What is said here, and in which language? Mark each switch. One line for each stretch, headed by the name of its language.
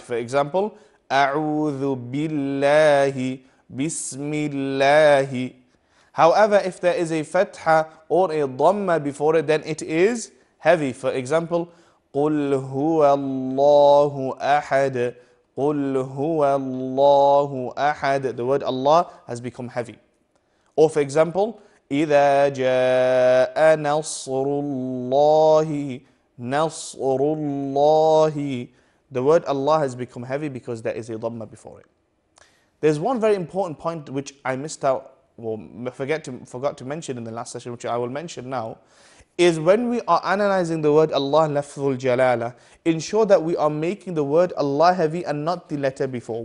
English: For example,
Arabic: a'udhu billahi bismillahi.
English: However, if there is a fatha or a dhamma before it, then it is heavy. For example,
Arabic: qul huwa Allahu ahad. Qul huwa Allahu ahad.
English: The word Allah has become heavy. Or for example,
Arabic: إِذَا جَاءَ نَصْرُ اللَّهِ نَصْرُ اللَّهِ.
English: The word Allah has become heavy because there is a dhamma before it. There's one very important point which I missed out, forgot to mention in the last session, which I will mention now, is when we are analyzing the word Allah, lafzul jalala, ensure that we are making the word Allah heavy and not the letter before.